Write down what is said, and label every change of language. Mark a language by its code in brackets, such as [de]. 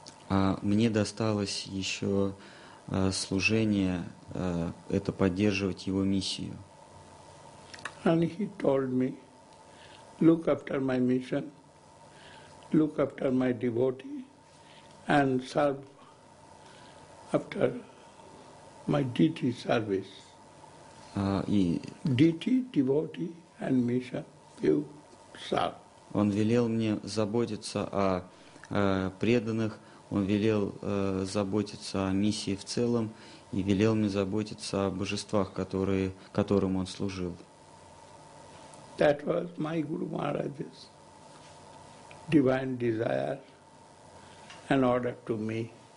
[ru] А мне досталось еще служение, это поддерживать его миссию. [en] And he told me, look after my mission, look after my devotee, and serve after my deity service. Deity, devotee, and mission, you serve. [ru] Он велел мне заботиться о преданных, он велел заботиться о миссии в целом и велел мне заботиться о божествах, которым он служил. [en] That was my Guru Maharaj's divine desire and order to me.